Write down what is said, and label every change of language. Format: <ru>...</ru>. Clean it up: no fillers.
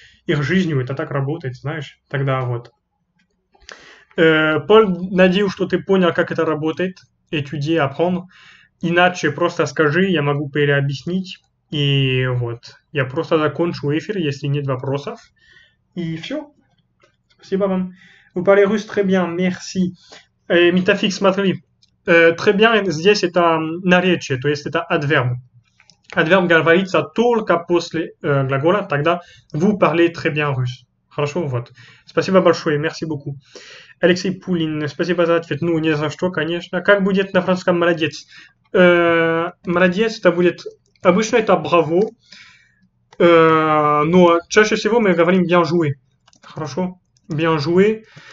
<ru>их жизнью, это так работает, знаешь, тогда вот. Поль, надеюсь, что ты понял, как это работает, étudier, apprendre. Иначе просто скажи, я могу переобъяснить. И вот, я просто закончу эфир, если нет вопросов. И все. Спасибо вам.</ru> <fr>Vous parlez russe très bien, merci.</fr> <ru>Метафик, смотри. Très bien, здесь это наречие, то есть это adverbe.</ru> <fr>Adverbe</fr> <ru>говорится только после глагола, тогда</ru> <fr>vous parlez très bien russe.</fr> <ru>Хорошо, вот. Спасибо большое,</ru> <fr>merci beaucoup.</fr> <ru>Алексей Пулин, спасибо за ответ. Ну, не за что, конечно. Как будет на французском молодец? Молодец, это будет... Обычно это браво, но чаще всего мы говорим</ru> <fr>bien joué.</fr> <ru>Хорошо?</ru> <fr>Bien joué.</fr>